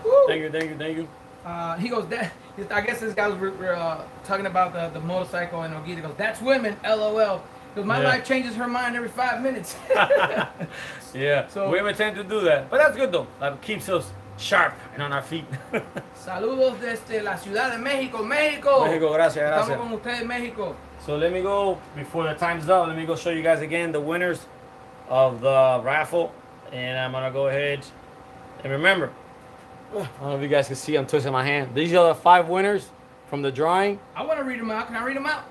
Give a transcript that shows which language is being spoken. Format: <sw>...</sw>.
<en>Woo! Thank you. He goes, that, I guess this guy was talking about the motorcycle and Ogita. He goes, that's women, LOL. Because my life changes her mind every 5 minutes. Yeah, so women tend to do that. But that's good, though. That keeps us sharp and on our feet.</en> <es>Saludos desde la Ciudad de México, México. México, gracias, gracias. Estamos con ustedes, México.</es> <en>So let me go, before the time's up, let me go show you guys again the winners of the raffle. And I'm going to go ahead and remember. I don't know if you guys can see, I'm twisting my hand. These are the five winners from the drawing. I want to read them out. Can I read them out?</en>